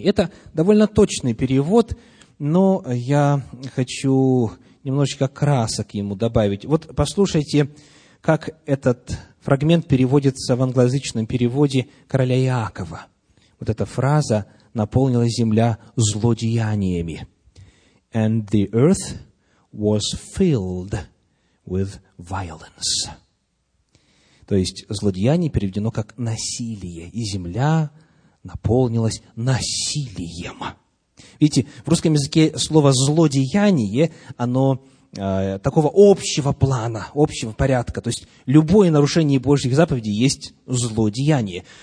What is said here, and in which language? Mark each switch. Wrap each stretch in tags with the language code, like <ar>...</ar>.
<ru>Это довольно точный перевод, но я хочу немножечко красок ему добавить. Вот послушайте, как этот фрагмент переводится в англоязычном переводе короля Иакова. Вот эта фраза «наполнилась земля злодеяниями».</ru> <en>«And the earth was filled with violence».</en> <ru>То есть злодеяние переведено как «насилие», и земля наполнилась насилием. Видите, в русском языке слово «злодеяние», оно такого общего плана, общего порядка. То есть любое нарушение Божьих заповедей есть злодеяние.</ru>